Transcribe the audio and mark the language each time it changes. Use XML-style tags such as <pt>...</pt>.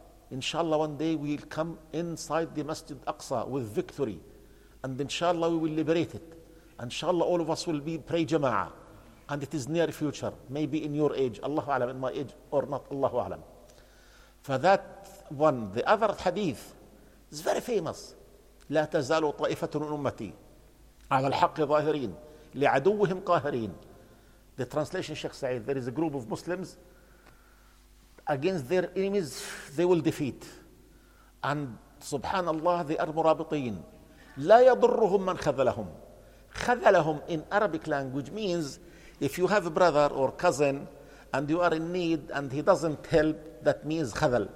<en>Inshallah, one day we'll come inside the Masjid Aqsa with victory. And inshallah, we will liberate it. And inshallah, all of us will be pray jama'ah. And it is near future, maybe in your age. Allahu alam, in my age or not, Allahu alam. For that one, the other hadith, it's very famous.</en> <ar>لا تزال طائفة أمتي على الحق ظاهرين لعدوهم قاهرين.</ar> <en>The translation, Sheikh Saeed, there is a group of Muslims against their enemies, they will defeat. And subhanAllah, they are murabitin.</en> <ar>لا يضرهم من خذلهم.</ar> <en>خذلهم in Arabic language means if you have a brother or cousin and you are in need and he doesn't help, that means خذل.</en>